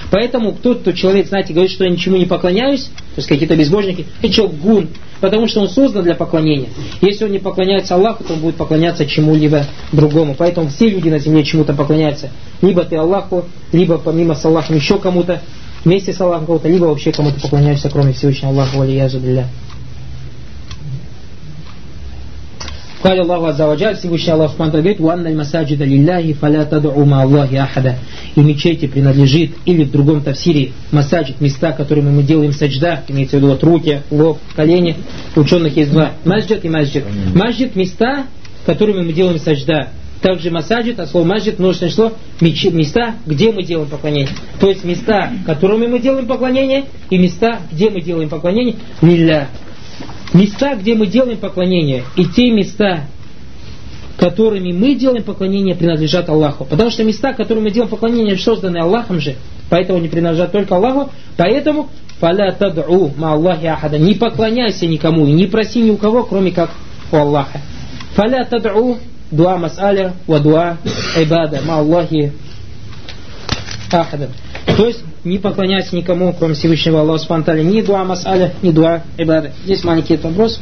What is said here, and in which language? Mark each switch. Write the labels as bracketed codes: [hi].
[ru] Поэтому кто-то человек, знаете, говорит, что я ничему не поклоняюсь, то есть какие-то безбожники, и человек гун, потому что он создан для поклонения. Если он не поклоняется Аллаху, то он будет поклоняться чему-либо другому. Поэтому все люди на земле чему-то поклоняются. Либо ты Аллаху, либо помимо с Аллахом еще кому-то, вместе с Аллахом кого-то, либо вообще кому-то поклоняешься, кроме Всевышнего Аллаху, алия жадилля. [ar] قال الله عز وجل [ru] Всевышний Аллах Субхану говорит: [ar] وَأَنَّ الْمَسَاجِدَ لِلَّهِ فَلَا تَدْعُوا مَعَ اللَّهِ أَحَدًا. [ru] И мечети принадлежит, или в другом тафсире масаджид, места, которыми мы делаем саджда, имеется в виду вот руки, лоб, колени, ученых есть два, масджид и масджид. Масджид — места, которыми мы делаем саджда. Также масаджид, а слово масджид — множественное число, места, где мы делаем поклонение. То есть места, которыми мы делаем поклонение, и места, где мы делаем поклонение, лилля. Места, где мы делаем поклонение, и те места, которыми мы делаем поклонение, принадлежат Аллаху. Потому что места, которыми мы делаем поклонение, созданы Аллахом же, поэтому они принадлежат только Аллаху. Поэтому [ar] فَلَا تَدْعُوا مَعَ اللَّهِ أَحَدًا. [ru] Не поклоняйся никому и не проси ни у кого, кроме как у Аллаха. [ar] فَلَا تَدْعُوا دُعَ مَسْأَلَ وَدُعَ عِبَادَ مَعَ اللَّهِ أَحَدًا. [ru] То есть не поклоняйся никому, кроме Всевышнего Аллаха Субхану Тааля, ни дуа масаля, ни дуа ибада. Здесь маленький этот вопрос.